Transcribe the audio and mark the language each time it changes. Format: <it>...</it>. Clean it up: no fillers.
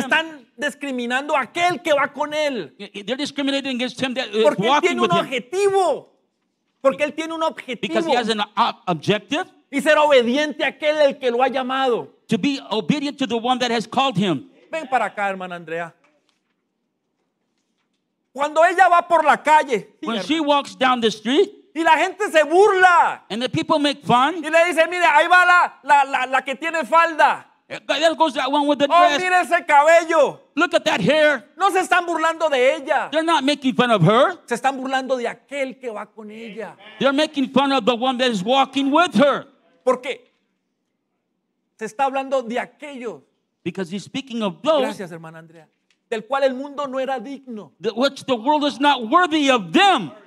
<es>Le están discriminando a aquel que va con él.</es> <en>They're discriminating against him that</en> <es>porque</es> <en>is walking with</en> <es>porque él tiene un objetivo.</es> <en>Him.</en> <es>Porque él tiene un objetivo.</es> <en>Because he has an objective.</en> <es>Y ser obediente a aquel el que lo ha llamado.</es> <en>To be obedient to the one that has called him.</en> <es>Ven para acá, hermana Andrea. Cuando ella va por la calle.</es> <en>When she walks down the street.</en> <es>Y la gente se burla.</es> <en>And the people make fun.</en> <es>Y le dice, mire, ahí va la que tiene falda.</es> <en>There goes that one with the dress.</en> <es>Oh, mire ese cabello.</es> <en>Look at that hair.</en> <es>No se están burlando de ella.</es> <en>They're not making fun of her.</en> <es>Se están burlando de aquel que va con ella.</es> <en>They're making fun of the one that is walking with her.</en> <es>¿Por qué? Se está hablando de aquellos.</es> <en>Because he's speaking of those.</en> <es>Gracias, hermana Andrea. del cual el mundo no era digno.</es> <en>Which the world is not worthy of them.</en>